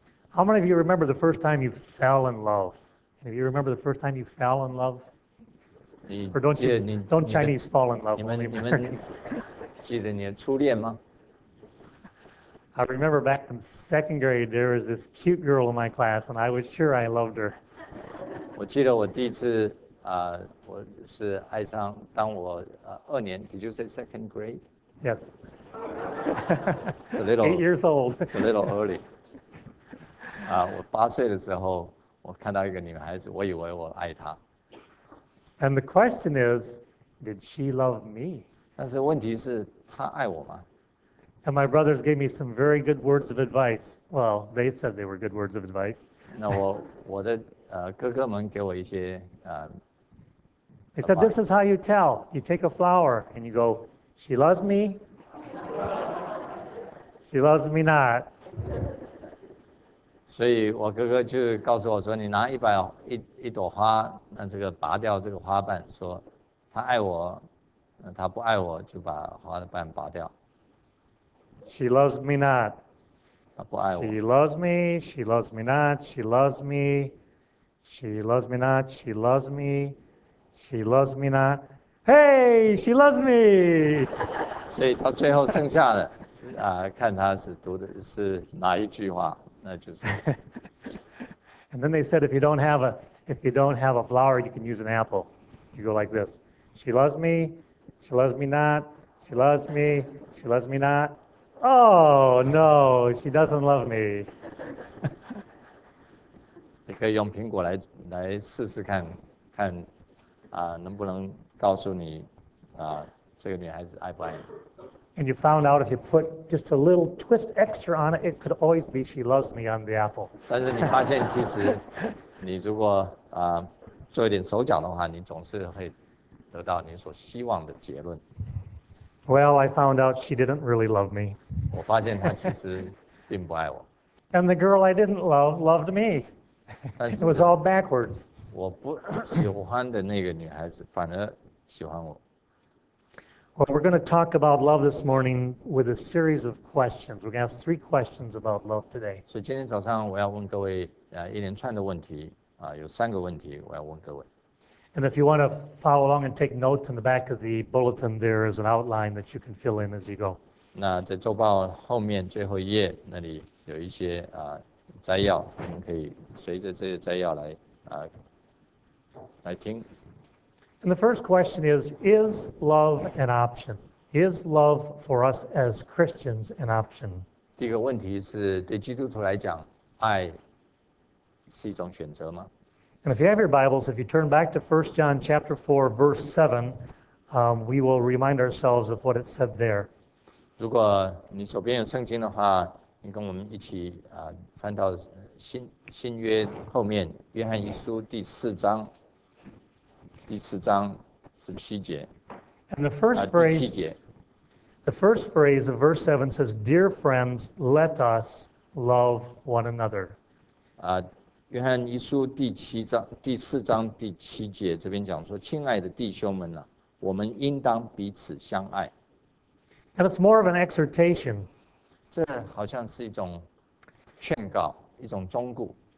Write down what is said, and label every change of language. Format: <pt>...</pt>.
<en>How many of you remember the first time you fell in love? Do you remember the first time you fell in love? Or don't Chinese fall in love?</en> <zh>你们记得你的初恋吗？</zh> <en>I remember back in second grade, there was this cute girl in my class, and I was sure I loved her.</en> <zh>我记得我第一次我是爱上当我二年 ，</zh> <en>Did you say second grade? Yes. It's a little, 8 years old. It's a little early.</en> <zh>我八岁的时候，我看到一个女孩子，我以为我爱她。</zh> <en>And the question is, did she love me?</en> <zh>但是问题是，她爱我吗？</zh> <en>And my brothers gave me some very good words of advice. Well, they said they were good words of advice.</en> <zh>那我的哥哥们给我一些</zh> <en>They said, this is how you tell. You take a flower and you go, she loves me. She loves me not.</en> <zh>所以我哥哥就告诉我说，你拿一朵花，那这个拔掉这个花瓣，说他爱我，他不爱我就把花瓣拔掉。</zh> <en>She loves me not.</en> <zh>他不爱我。</zh> <en>She loves me, she loves me not, she loves me, she loves me not, she loves me, she loves me not. Hey, she loves me.</en> <zh>所以到最后剩下的看他是读的是哪一句话，那就是。</zh> <en>And then they said, if you don't have a flower, you can use an apple. You go like this: She loves me, she loves me not, she loves me, she loves me not. Oh no, she doesn't love me.</en> <zh>你可以用苹果来试试看，看能不能告诉你这个女孩子爱不爱你。</zh> <en>And you found out if you put just a little twist extra on it, it could always be she loves me on the apple.</en> <zh>但是你发现其实你如果做一点手脚的话，你总是会得到你所希望的结论。</zh> <en>Well, I found out she didn't really love me.</en> <zh>我发现她其实并不爱我。</zh> <en>And the girl I didn't love loved me. It was all backwards.</en> <zh>我不喜欢的那个女孩子反而喜欢我。</zh> <en>Well, we're going to talk about love this morning with a series of questions. We're going to ask three questions about love today.</en> <zh>所以今天早上我要问各位一连串的问题有三个问题我要问各位。</zh> <en>And if you want to follow along and take notes in the back of the bulletin, there is an outline that you can fill in as you go.</en> <zh>那在周报后面最后一页那里有一些摘要，我们可以随着这些摘要来听。</zh> <en>And the first question is love an option? Is love for us as Christians an option?</en> <zh>第一个问题是对基督徒来讲，爱是一种选择吗？</zh> <en>And if you have your Bibles, if you turn back to 1 John chapter 4, verse 7, we will remind ourselves of what it said there.</en> <zh>如果你手边有圣经的话，你跟我们一起翻到新约后面，约翰一书第四章。第四章十七节。</zh> <en>And the first phrase, the first phrase of verse 7 says, "Dear friends, let us love one another."</en> <zh>约翰一书第四章第七节这边讲说，亲爱的弟兄们啊，我们应当彼此相爱。</zh> <en>And it's more of an exhortation.</en> <zh>这好像是一种劝告，一种忠告。</zh>